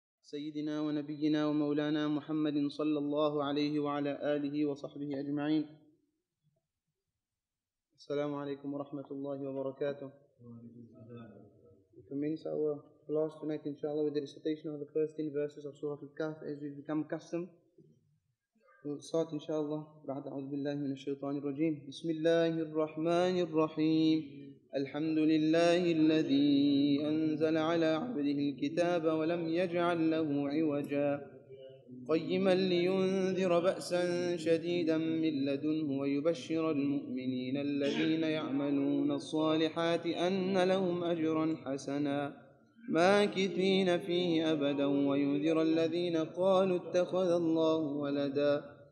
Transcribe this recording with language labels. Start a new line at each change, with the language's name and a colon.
Arabic: سيدنا ونبينا ومولانا محمد صلى الله عليه وعلى آله وصحبه أجمعين. السلام عليكم ورحمة الله وبركاته.
English: We commence our class tonight, inshallah, with the recitation of the first 10 verses of Surah Al-Kahf as we become accustomed. We'll start, inshallah,
Arabic: بعد أعوذ بالله من الشيطان الرجيم. بسم الله الرحمن الرحيم. الحمد لله الذي أنزل على عبده الكتاب ولم يجعل له عوجا قيما لينذر بأسا شديدا من لدنه ويبشر المؤمنين الذين يعملون الصالحات أن لهم أجرا حسنا ماكثين فيه أبدا وينذر الذين قالوا اتخذ الله ولدا